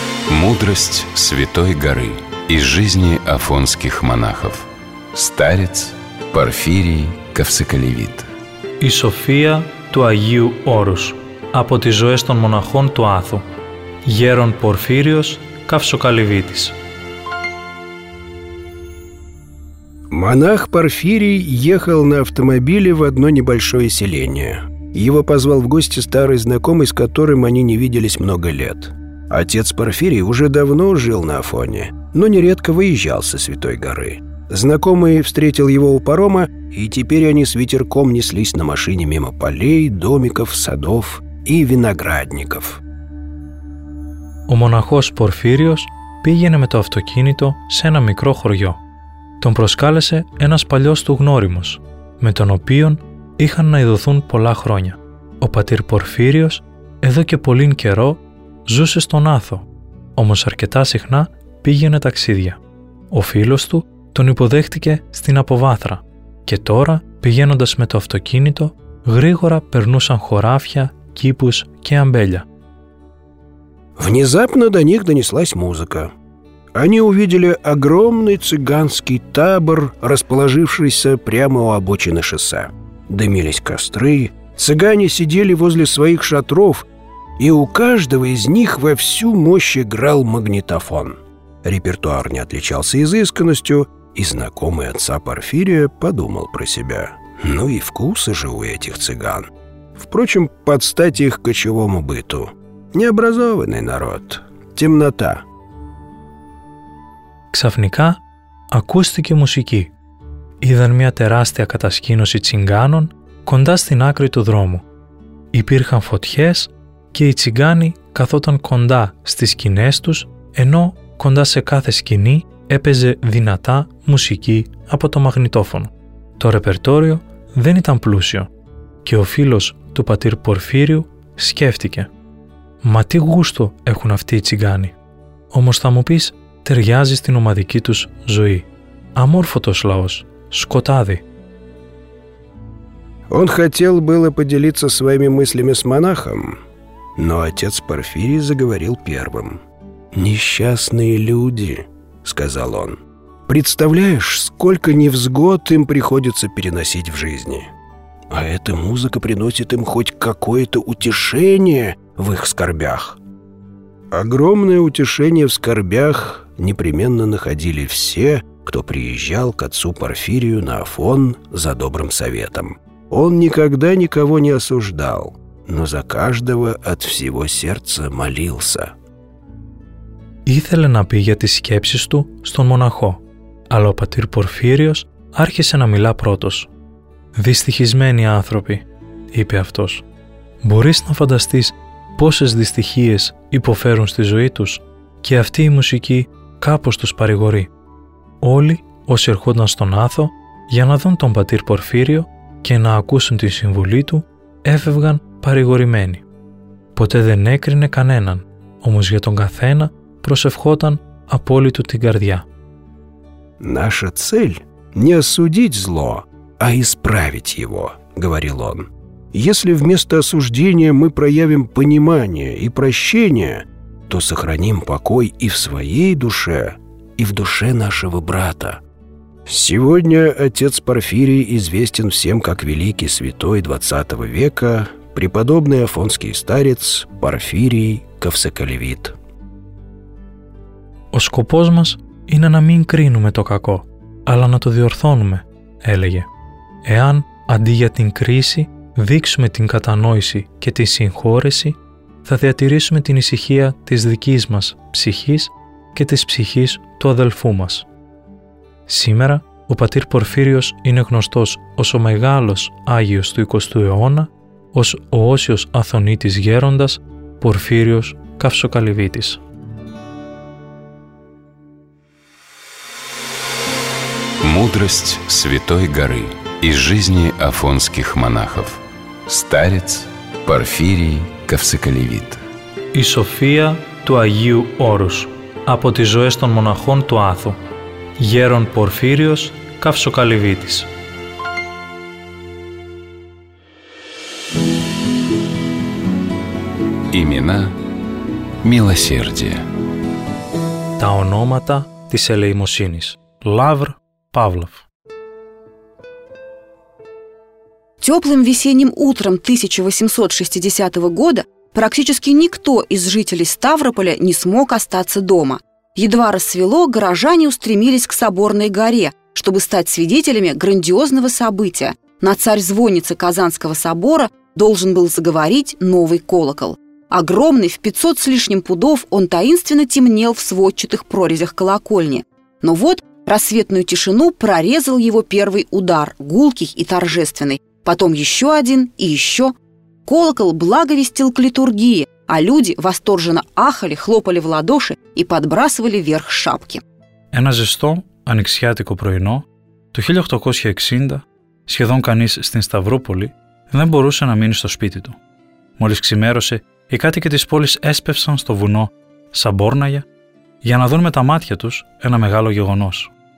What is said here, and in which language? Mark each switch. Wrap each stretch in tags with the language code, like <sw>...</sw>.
<ru>Мудрость Святой Горы из жизни афонских монахов. Старец Порфирий Καυσικαλιβίτ.</ru> <el>Η σοφία του Αγίου Όρους από τις ζωές των μοναχών του Άθου. Γέρον Πορφύριος Καυσικαλιβίτης.</el> <ru>Монах Порфирий ехал на автомобиле в одно небольшое селение. Его позвал в гости старый знакомый, с которым они не виделись много лет. Отец Порфирий уже давно жил на Афоне, но нередко выезжал со Святой Горы. Знакомый встретил его у парома, и теперь они с ветерком неслись на машине мимо полей, домиков, садов и виноградников.</ru> <el>Ο μοναχός Πορφύριος πήγαινε με το αυτοκίνητο σε ένα μικρό χωριό. Τον προσκάλεσε ένας παλιός του γνώριμος, με τον οποίον είχαν να ειδωθούν πολλά χρόνια. Ο πατήρ Πορφύριος εδώ και πολύν καιρό ζούσε στον Άθο, όμως αρκετά συχνά πήγαινε ταξίδια. Ο φίλος του τον υποδέχτηκε στην Αποβάθρα και τώρα, πηγαίνοντας με το αυτοκίνητο, γρήγορα περνούσαν χωράφια, κήπους και αμπέλια.</el> <ru>Внезапно до них донеслась музыка. Они увидели огромный цыганский табор, расположившийся прямо у обочины шоссе. Дымились костры, цыгане сидели возле своих шатров, и у каждого из них во всю мощь играл магнитофон. Репертуар не отличался изысканностью, и знакомый отца Порфирия подумал про себя. Ну и вкусы же у этих цыган. Впрочем, под стать их кочевому быту. Необразованный народ. Темнота.</ru> <el>Ξαφνικά ακούστηκε μουσική. Είδαν μια τεράστια κατασκήνωση τσιγκάνων κοντά στην άκρη του δρόμου. Υπήρχαν φωτιές και οι τσιγκάνοι καθόταν κοντά στις σκηνές τους, ενώ κοντά σε κάθε σκηνή έπαιζε δυνατά μουσική από το μαγνητόφωνο. Το ρεπερτόριο δεν ήταν πλούσιο και ο φίλος του πατήρ Πορφύριου σκέφτηκε «Μα τι γούστο έχουν αυτοί οι τσιγκάνοι! Όμως θα μου πεις, ταιριάζει στην ομαδική τους ζωή. Αμόρφωτος λαός, σκοτάδι».</el> <ru>Он хотел было поделиться своими мыслями с монахом, но отец Порфирий заговорил первым. «Несчастные люди», — сказал он. «Представляешь, сколько невзгод им приходится переносить в жизни. А эта музыка приносит им хоть какое-то утешение в их скорбях». Огромное утешение в скорбях непременно находили все, кто приезжал к отцу Порфирию на Афон за добрым советом. Он никогда никого не осуждал, но за каждого от всего сердца молился».</ru> <el>Ήθελε να πει για τις σκέψεις του στον μοναχό, αλλά ο πατήρ Πορφύριος άρχισε να μιλά πρώτος. «Δυστυχισμένοι άνθρωποι», είπε αυτός. «Μπορείς να φανταστείς πόσες δυστυχίες υποφέρουν στη ζωή τους και αυτή η μουσική κάπως τους παρηγορεί. Όλοι όσοι ερχόταν στον Άθο για να δουν τον πατήρ Πορφύριο και να ακούσουν τη συμβουλή του, έφευγαν παρηγορημένοι. Ποτέ δεν έκρινε κανέναν, όμως για τον καθένα προσευχόταν απόλυτο την καρδιά.</el> <ru>«Наша цель – не осудить зло, а исправить его», – говорил он. «Если вместо осуждения мы проявим понимание и прощение, то сохраним покой и в своей душе, и в душе нашего брата. Сегодня отец Порфирий известен всем как великий святой XX века, преподобный афонский старец Порфирий Καυσικαλιβίτ».</ru> <el>«Ο σκοπός μας είναι να μην κρίνουμε το κακό, αλλά να το διορθώνουμε», έλεγε. «Εάν, αντί για την κρίση, δείξουμε την κατανόηση και τη συγχώρεση, θα διατηρήσουμε την ησυχία της δικής μας ψυχής και της ψυχής του αδελφού μας. Σήμερα ο πατήρ Πορφύριος είναι γνωστός ως ο μεγάλος Άγιος του 20ου αιώνα, ως ο Όσιος Αθωνίτης Γέροντας, Πορφύριος Καυσοκαλυβίτης.</el> <ru>Мудрость Святой Горы из жизни афонских монахов. Старец Порфирий Ковсоколевит.</ru> <el>И София του Αγίου Όρους από τις ζωές των μοναχών του Άθου. Γέρον Πορφύριος Καυσοκαλυβίτης.</el> <ru>Имена милосердия.</ru> <el>Τα ονόματα της ελεημοσύνης.</el> <ru>Лавр Павлов. Теплым весенним утром 1860 года практически никто из жителей Ставрополя не смог остаться дома. Едва рассвело, горожане устремились к Соборной горе, чтобы стать свидетелями грандиозного события. На царь-звонице Казанского собора должен был заговорить новый колокол. Огромный, в 500 с лишним пудов, он таинственно темнел в сводчатых прорезях колокольни. Но вот рассветную тишину прорезал его первый удар, гулкий и торжественный. Потом еще один и еще. Колокол благовестил к литургии, а люди восторженно ахали, хлопали в ладоши и подбрасывали вверх шапки.</ru> <el>Ένα ζεστό, ανοιξιάτικο πρωινό, το 1860, σχεδόν κανείς στην Σταυρούπολη δεν μπορούσε να μείνει στο σπίτι του. Μόλις ξημέρωσε, οι κάτοικοι της πόλης έσπευσαν στο βουνό, Σαμπόρναγια, για να δουν με τα μάτια τους ένα μεγάλο γεγονός.</el>